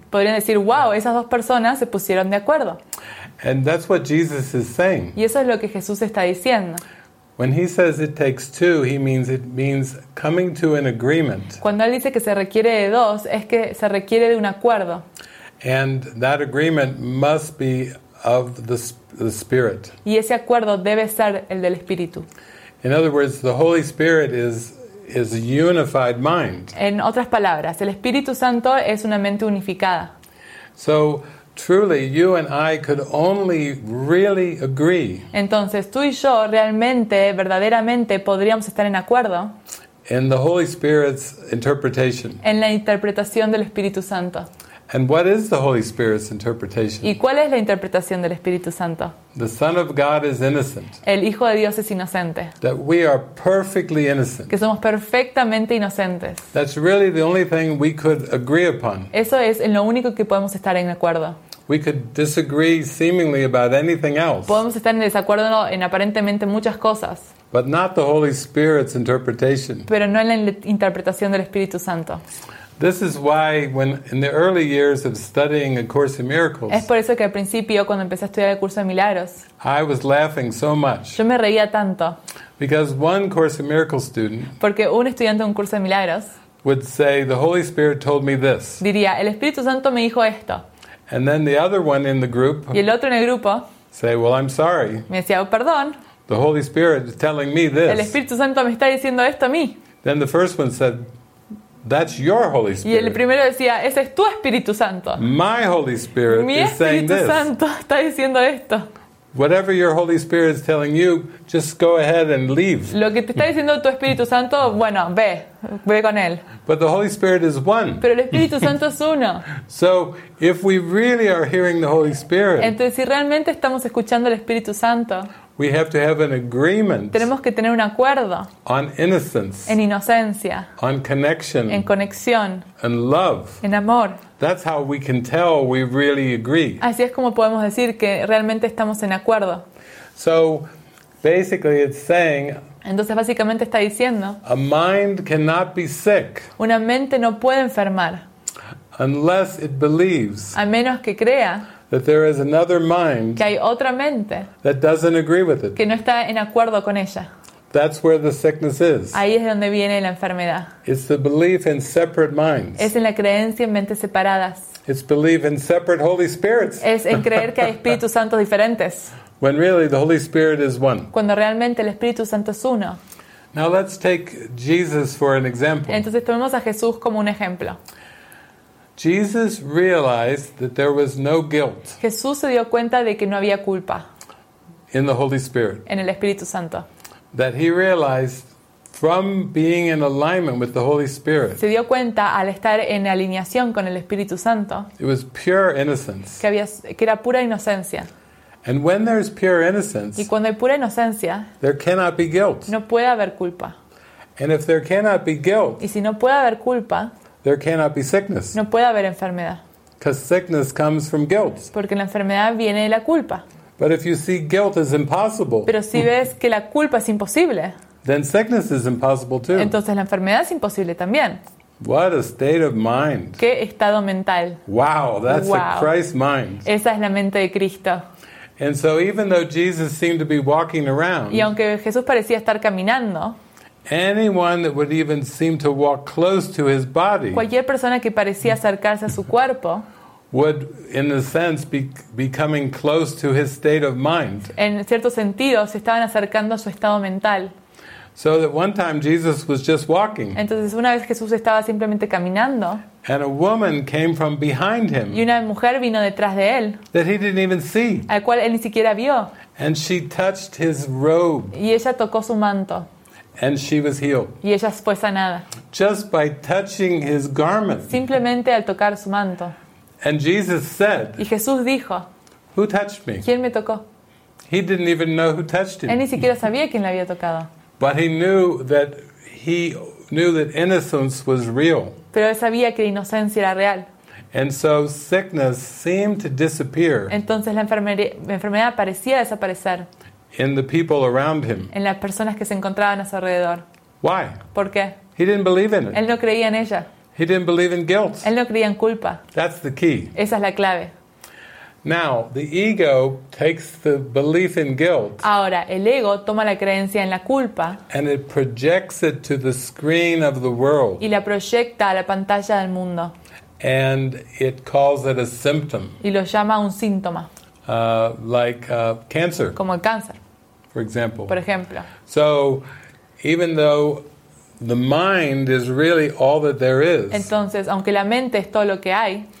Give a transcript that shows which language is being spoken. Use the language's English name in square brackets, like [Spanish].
[Spanish] Podrían decir, "Wow, esas dos personas se pusieron de acuerdo." [English] And that's what Jesus is saying. [Spanish] Y eso es lo que Jesús está diciendo. [English] When he says it takes two, he means it means coming to an agreement. [Spanish] Cuando él dice que se requiere de dos, es que se requiere de un acuerdo. [English] And that agreement must be of the Spirit. [Spanish] Y ese acuerdo debe ser el del Espíritu. [English] In other words, the Holy Spirit is a unified mind. [Spanish] En otras palabras, el Espíritu Santo es una mente unificada. [English] So truly, you and I could only really agree. [Spanish] Entonces, tú y yo realmente, verdaderamente, podríamos estar en acuerdo. [English] In the Holy Spirit's interpretation. [Spanish] En la interpretación del Espíritu Santo. [English] And what is the Holy Spirit's interpretation? [Spanish] ¿Y cuál es la interpretación del Espíritu Santo? [English] The Son of God is innocent. [Spanish] El Hijo de Dios es inocente. [English] That we are perfectly innocent. [Spanish] Que somos perfectamente inocentes. [English] That's really the only thing we could agree upon. [Spanish] Eso es lo único que podemos estar en acuerdo. [English] We could disagree seemingly about anything else. [Spanish] Podemos estar en desacuerdo en aparentemente muchas cosas. [English] But not the Holy Spirit's interpretation. [Spanish] Pero no en la interpretación del Espíritu Santo. [English] This is why when in the early years of studying A Course in Miracles. [Spanish] Es por eso que al principio cuando empecé a estudiar el curso de milagros. [English] I was laughing so much. [Spanish] Yo me reía tanto. [English] Because one Course in Miracles student. [Spanish] Porque un estudiante de un curso de milagros. [English] Would say the Holy Spirit told me this. [Spanish] Diría, el Espíritu Santo me dijo esto. [English] And then the other one in the group. [Spanish] Y el otro en el grupo. [English] Say, well, I'm sorry. [Spanish] Me decía, oh, perdón. [English] The Holy Spirit is telling me this. [Spanish] El Espíritu Santo me está diciendo esto a mí. [English] Then the first one said, that's your Holy Spirit. [Spanish] Y el primero decía, ese es tu Espíritu Santo. [English] My Holy Spirit [Spanish] Mi [English] is [Spanish] Espíritu [English] saying this. [Spanish] Mi Espíritu Santo está diciendo esto. [English] Whatever your Holy Spirit is telling you, just go ahead and leave. [Spanish] Lo que te está diciendo tu Espíritu Santo, bueno, ve con él. [English] But the Holy Spirit is one. [Spanish] Pero el Espíritu Santo es uno. [English] So, if we really are hearing the Holy Spirit. [Spanish] Entonces, si realmente estamos escuchando el Espíritu Santo. [English] We have to have an agreement. [Spanish] Tenemos que tener un acuerdo. [English] On innocence. [Spanish] En inocencia. [English] On connection. [Spanish] En conexión. [English] And love. [Spanish] En amor. [English] That's how we can tell we really agree. [Spanish] Así es como podemos decir que realmente estamos en acuerdo. [English] So basically it's saying. [Spanish] Entonces básicamente está diciendo. [English] A mind cannot be sick. [Spanish] Una mente no puede enfermar. [English] Unless it believes. [Spanish] A menos que crea. [English] That there is another mind [Spanish] que hay otra mente [English] that doesn't agree with it. [Spanish] Que no está en acuerdo con ella. [English] That's where the sickness is. [Spanish] Ahí es donde viene la enfermedad. [English] It's the belief in separate minds. [Spanish] Es en la creencia en mentes separadas. [English] It's belief in separate Holy Spirits. [Spanish] Es en creer que hay Espíritus Santos diferentes. [English] When really the Holy Spirit is one. [Spanish] Cuando realmente el Espíritu Santo es uno. [English] Now let's take Jesus for an example. [Spanish] Entonces tomemos a Jesús como un ejemplo. [English] Jesus realized that there was no guilt. [Spanish] Jesús se dio cuenta de que no había culpa. [English] In the Holy Spirit. [Spanish] En el Espíritu Santo. [English] That he realized from being in alignment with the Holy Spirit. [Spanish] Se dio cuenta al estar en alineación con el Espíritu Santo. [English] It was pure innocence. [Spanish] Que era pura inocencia. [English] And when there is pure innocence. [Spanish] Y cuando hay pura inocencia. [English] There cannot be guilt. [Spanish] No puede haber culpa. [English] And if there cannot be guilt. [Spanish] Y si no puede haber culpa. [English] There cannot be sickness. [Spanish] No puede haber enfermedad. [English] Because sickness comes from guilt. [Spanish] Porque la enfermedad viene de la culpa. [English] But if you see guilt as impossible. [Spanish] Pero si ves que la culpa es imposible. [English] Then sickness is impossible too. [Spanish] Entonces la enfermedad es imposible también. [English] What a state of mind. [Spanish] Qué estado mental. [English] Wow, that's a Christ mind. [Spanish] Esa es la mente de Cristo. [English] And so even though Jesus seemed to be walking around. [Spanish] Y aunque Jesús parecía estar caminando. [English] Anyone that would even seem to walk close to his body. [Spanish] Cualquier persona que parecía acercarse a su cuerpo. [English] Would, in a sense, be coming close to his state of mind. [Spanish] En cierto sentido, se estaban acercando a su estado mental. [English] So that one time Jesus was just walking. [Spanish] Entonces una vez Jesús estaba simplemente caminando. [English] And a woman came from behind him. [Spanish] Y una mujer vino detrás de él. [English] That he didn't even see. [Spanish] Al cual él ni siquiera vio. [English] And she touched his robe. [Spanish] Y ella tocó su manto. [English] And she was healed. [Spanish] Y ella fue sanada. [English] Just by touching his garment. [Spanish] Simplemente al tocar su manto. [English] And Jesus said. [Spanish] Y Jesús dijo. [English] Who touched me? [Spanish] ¿Quién me tocó? [English] He didn't even know who touched him. [Spanish] Él ni siquiera sabía quién le había tocado. [English] But he knew that innocence was real. [Spanish] Pero él sabía que la inocencia era real. [English] And so sickness seemed to disappear. [Spanish] Entonces la enfermedad parecía desaparecer. [English] In the people around him. [Spanish] En las personas que se encontraban a su alrededor. [English] Why? [Spanish] ¿Por qué? [English] He didn't believe in it. [Spanish] Él no creía en ella. [English] He didn't believe in guilt. [Spanish] Él no creía en culpa. [English] That's the key. [Spanish] Esa es la clave. [English] Now, the ego takes the belief in guilt. [Spanish] Ahora, el ego toma la creencia en la culpa. [English] And it projects it to the screen of the world. [Spanish] Y la proyecta a la pantalla del mundo. [English] And it calls it a symptom. [Spanish] Y lo llama un síntoma. [English] Like cancer. [Spanish] Como el cáncer. [English] For example. [Spanish] Por ejemplo. [English] So, even though the mind is really all that there is. [Spanish] Entonces, aunque la mente es todo lo que hay.